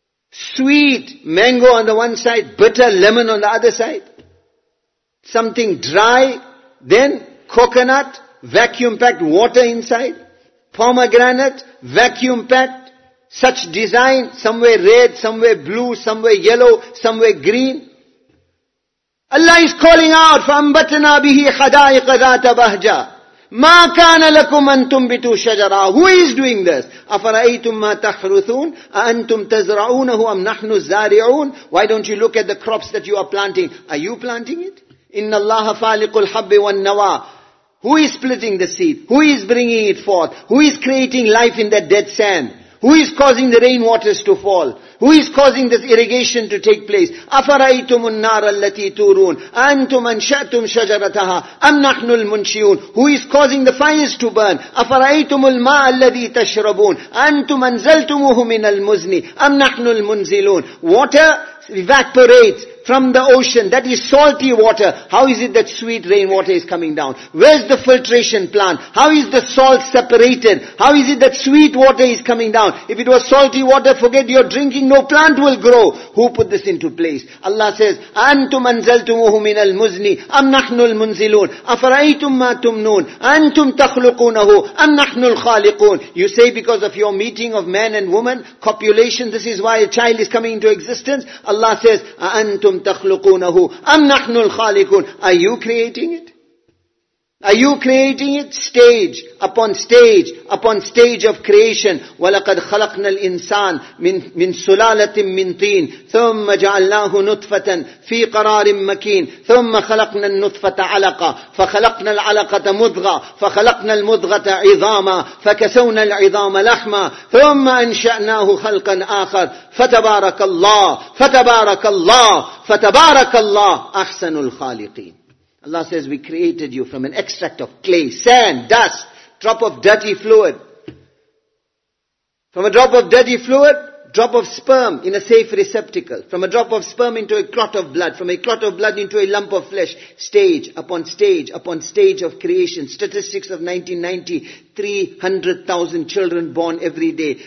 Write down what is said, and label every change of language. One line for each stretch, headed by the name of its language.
English: Sweet mango on the one side. Bitter lemon on the other side. Something dry. Then coconut, vacuum packed water inside. Pomegranate, vacuum packed. Such design, somewhere red, somewhere blue, somewhere yellow, somewhere green. Allah is calling out,
Arabic: فَأَنْبَتْنَا بِهِ خَدَائِقَ ذَاتَ بَهْجَى مَا كَانَ لَكُمْ أَن تُنْبِتُوا شَجَرًا.
English: Who is doing this?
Arabic: أَفَرَأَيْتُمْ مَا تَحْرُثُونَ أَأَنْتُمْ تَزْرَعُونَهُ أَمْ نَحْنُ الزَّارِعُونَ.
English: Why don't you look at the crops that you are planting? Are you planting it?
Arabic: إِنَّ اللَّهَ فَالِقُ الْحَبِّ وَالنَّوَى.
English: Who is splitting the seed? Who is bringing it forth? Who is creating life in that dead sand? Who is causing the rainwaters to fall? Who is causing this irrigation to take place?
Arabic: أَفَرَأَيْتُمُ النَّارَ الَّتِي تُورُونَ أَنْتُمْ أَنْشَأْتُمْ شَجَرَتَهَا أَمْ نَحْنُ الْمُنْشِئُونَ
English: Who is causing the fires to burn?
Arabic: أَفَرَأَيْتُمُ الْمَاءَ الَّذِي تَشْرَبُونَ أَنْتُمْ أَنْزَلْتُمُوهُ مِنَ الْمُزْنِ أَمْ نَحْنُ الْمُنْزِلُونَ
English: Water evaporates from the ocean. That is salty water. How is it that sweet rainwater is coming down? Where's the filtration plant? How is the salt separated? How is it that sweet water is coming down? If it was salty water, forget your drinking, no plant will grow. Who put this into place? Allah says,
Arabic: أَنْتُمْ أَنْزَلْتُمُهُ مِنَ الْمُزْنِ أَمْ نَحْنُ الْمُنْزِلُونَ أَفَرَأَيْتُمْ مَا تُمْنُونَ أَنْتُمْ تَخْلُقُونَهُ أَمْ نَحْنُ الْخَالِقُونَ
English: You say because of your meeting of man and woman, copulation, this is why a child is coming into existence. Allah says,
Arabic: أَنْتُمْ تَخْلُقُونَهُ أَمْ نَحْنُ الْخَالِقُونَ
English: Are you creating it? Are you creating it? Stage upon stage upon stage of creation.
Arabic: وَلَقَدْ خَلَقْنَا الْإِنسَانَ مِنْ سُلَالَةٍ مِنْ طِينٍ ثُمَّ جَعَلْنَاهُ نُطْفَةً فِي قَرَارٍ مَكِينٍ ثُمَّ خَلَقْنَا النُّطْفَةَ عَلَقَةً فَخَلَقْنَا الْعَلَقَةَ مُضْغَةً فَخَلَقْنَا الْمُضْغَةَ عِظَامًا فَكَسَوْنَا الْعِظَامَ لَحْمًا ثُمَّ أَنْشَأْنَاهُ خَلْقًا آخَرَ فَتَبَارَكَ اللَّهُ فَتَبَارَكَ اللَّهُ فَتَبَارَكَ اللَّهُ أَحْسَنُ الْخَالِقِينَ
English: Allah says, we created you from an extract of clay, sand, dust, drop of dirty fluid. From a drop of dirty fluid, drop of sperm in a safe receptacle. From a drop of sperm into a clot of blood. From a clot of blood into a lump of flesh. Stage upon stage upon stage of creation. Statistics of 1990, 300,000 children born every day.